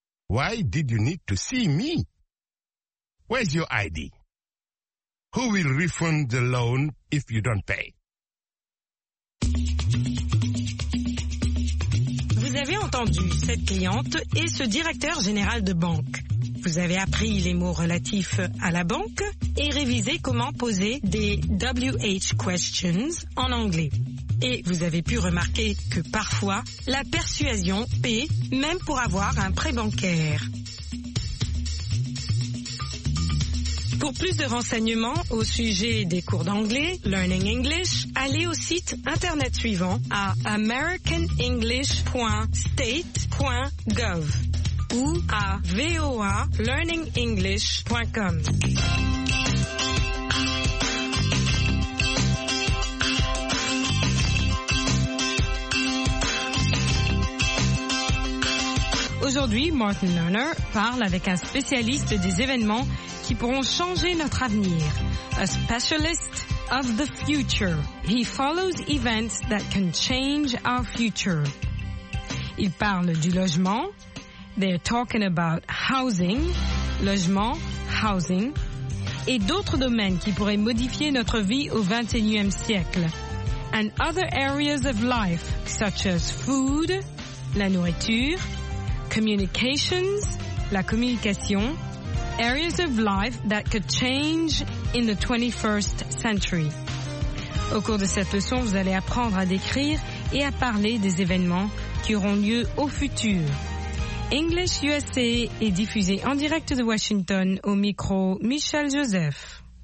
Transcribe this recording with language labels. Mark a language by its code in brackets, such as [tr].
[en] Why did you need to see me? Where's your ID? Who will refund the loan if you don't pay? [fr] Vous avez entendu cette cliente et ce directeur général de banque. Vous avez appris les mots relatifs à la banque et révisé comment poser des WH questions en anglais. Et vous avez pu remarquer que parfois, la persuasion paie même pour avoir un prêt bancaire. Pour plus de renseignements au sujet des cours d'anglais, Learning English, allez au site internet suivant à americanenglish.state.gov ou à voalearningenglish.com. Aujourd'hui, Martin Lerner parle avec un spécialiste des événements qui pourront changer notre avenir. [en] A specialist of the future. He follows events that can change our future. [fr] Il parle du logement. [en] They're talking about housing. [fr] Logement, housing. Et d'autres domaines qui pourraient modifier notre vie au 21e siècle. [en] And other areas of life, such as food, la nourriture, communications, la communication, areas of life that could change in the 21st century. [fr] Au cours de cette leçon, vous allez apprendre à décrire et à parler des événements qui auront lieu au futur. English USA est diffusé en direct de Washington au micro Michel Joseph.